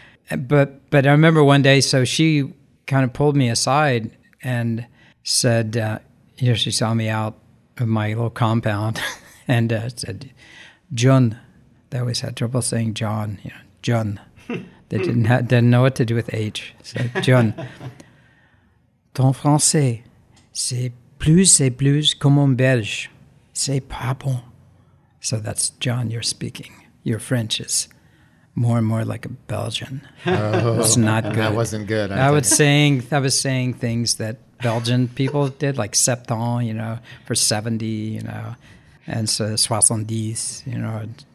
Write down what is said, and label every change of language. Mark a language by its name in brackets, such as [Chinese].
[English] But I remember one day, so she kind of pulled me aside and said, you know, she saw me out of my little compound and said, John. They always had trouble saying John, you know, John. They didn't know what to do with H. [French] So, John, ton français, c'est plus comme en belge, c'est pas bon. [English] So that's John, you're speaking. Your French is more and more like a Belgian. Oh, it's not good. That wasn't good. I was saying things that Belgian people did, like septon, you know, for 70, you know, and so 70, you know.